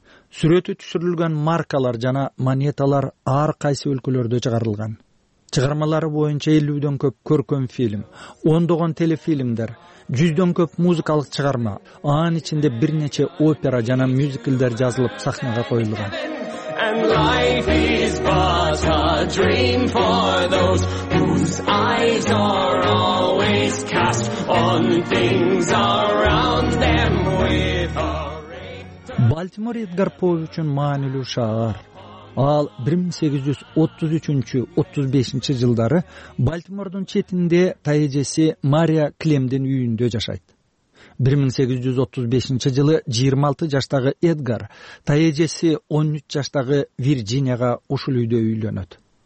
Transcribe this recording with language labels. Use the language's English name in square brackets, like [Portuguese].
[Kyrgyz] Сүрөтү түшүрүлгөн маркалар жана монеталар ар кайсы өлкөлөрдө чыгарылган. Чыгармалары боюнча 50 көп көркөм фильм, 10 телефильмдер, 100 көп музыкалык чыгарма, анын ичинде бир нече опера жана мюзиклдер жазылып сахнага коюлган. [English] And life is but a dream for those whose eyes are always cast on things around them with a [Kyrgyz] Балтимор Эдгар По үчүн маанилүү шаар. Ал 1833-35 жылдары Балтимордун четинде таежеси Мария Клемдин үйүндө жашайт. 1835 жылы 26 жаштагы Эдгар таежеси 13 жаштагы Вирджинияга ушул үйдө үйлөнөт.